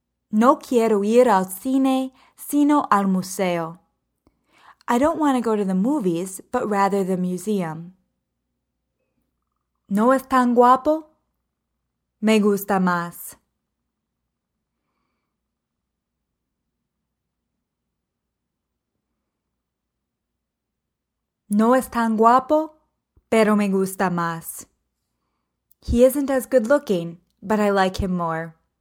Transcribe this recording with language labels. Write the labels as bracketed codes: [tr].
[es] No quiero ir al cine, sino al museo. [en] I don't want to go to the movies, but rather the museum. [es] No es tan guapo. Me gusta más. No es tan guapo, pero me gusta más. [en] He isn't as good looking, but I like him more.